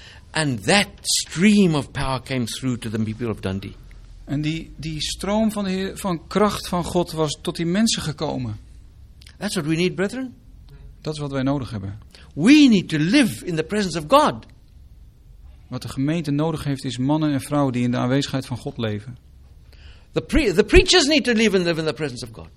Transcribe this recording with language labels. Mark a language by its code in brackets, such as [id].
[en] And that stream of power came through to the people of Dundee. [nl] En die stroom van kracht van God was tot die mensen gekomen. [en] That's what we need, brethren. [nl] Dat is wat wij nodig hebben. [en] We need to live in the presence of God. [nl] Wat de gemeente nodig heeft is mannen en vrouwen die in de aanwezigheid van God leven. [en] The preachers need to live in the presence of God.